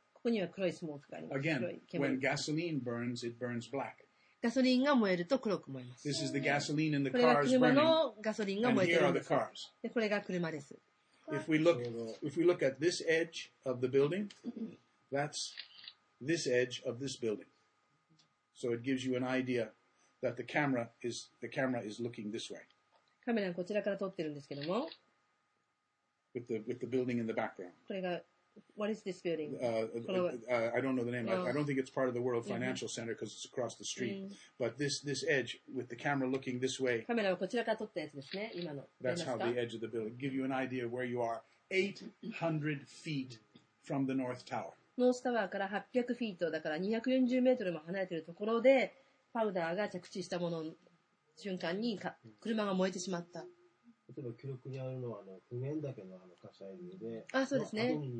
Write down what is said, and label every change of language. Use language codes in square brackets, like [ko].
[ja] ここには黒いスモークがあります。 [en] Again, when gasoline burns, it burns black. [ja] ガソリンが燃えると黒く燃えます。 [en] This is the gasoline in the cars burning. [ja] これが車のガソリンが燃えてるんです。で、これが車です。 [en] If we look at this edge of the building, that's this edge of this building. So it gives you an idea that the camera is looking this way. [ja] カメラはこちらから撮ってるんですけども。 [en] With the building in the background. [ja] これが [en] What is this building? I don't know the name. No. I don't think it's part of the World Financial mm-hmm. Center because it's across the street. Mm-hmm. But this edge with the camera looking this way. [ja] カメラはこちらから撮ったやつですね。今の。 [en] That's how the edge of the building give you an idea of where you are. 800 feet from the North Tower. [ja] ノースタワーから800フィートだから240メートルも離れているところでパウダーが着地したものの瞬間に車が燃えてしまった。例えば記録にあるのは普賢岳の火砕流で、あ、そうですね。